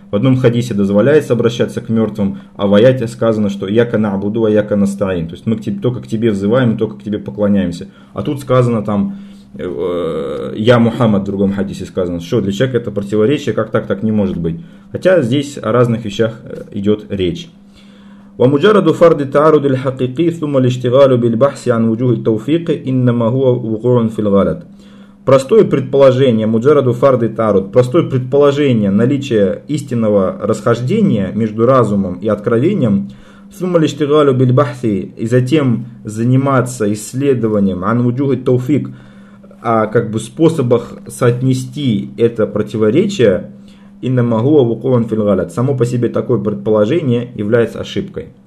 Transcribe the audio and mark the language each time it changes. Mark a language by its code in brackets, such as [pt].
[ru] В одном хадисе дозволяется обращаться к мертвым, а в аяте сказано, что [ar] «яка наабуду, а яка настаин». [ru] То есть мы только к тебе взываем, только к тебе поклоняемся. А тут сказано там «я Мухаммад» в другом хадисе сказано. Что для человека это противоречие, как так, так не может быть. Хотя здесь о разных вещах идет речь. [ar] ومجرد فرض التعارض الحقيقي ثم الاشتغال بالبحث عن وجوه التوفيق انما هو وقوع في الغلط. [ru] Простое предположение, [ar] مجرد فرض التعارض, [ru] простое предположение наличия истинного расхождения между разумом и откровением, [ar] ثم الاشتغال بالبحث, [ru] и затем заниматься исследованием [ar] عن وجوه التوفيق, [ru] а как бы способах соотнести это противоречие, само по себе такое предположение является ошибкой.